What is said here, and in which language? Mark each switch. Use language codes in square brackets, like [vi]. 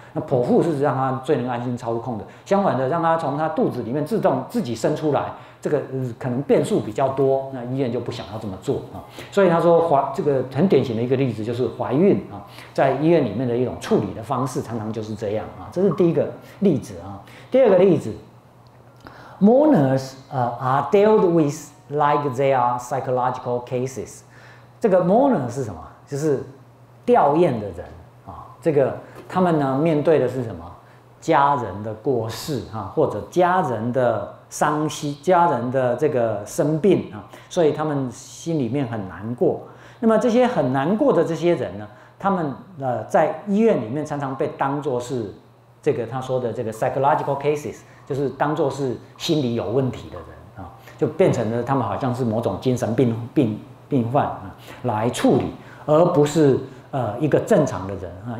[zh] 那剖腹是让他最能安心操控的。相反的，让他从他肚子里面自己生出来，这个可能变数比较多，那医院就不想要这么做啊。所以他说这个很典型的一个例子就是怀孕啊，在医院里面的一种处理的方式常常就是这样啊。这是第一个例子啊。第二个例子 [en] ，mourners are dealt with like they are psychological cases。 [zh] 这个 mourner 是什么？就是吊唁的人啊。这个他们呢面对的是什么？家人的过世啊，或者家人的伤心，家人的这个生病啊，所以他们心里面很难过。那么这些很难过的这些人呢，他们在医院里面常常被当作是这个他说的这个 psychological cases， 就是当作是心理有问题的人啊，就变成了他们好像是某种精神病患啊来处理，而不是一个正常的人啊。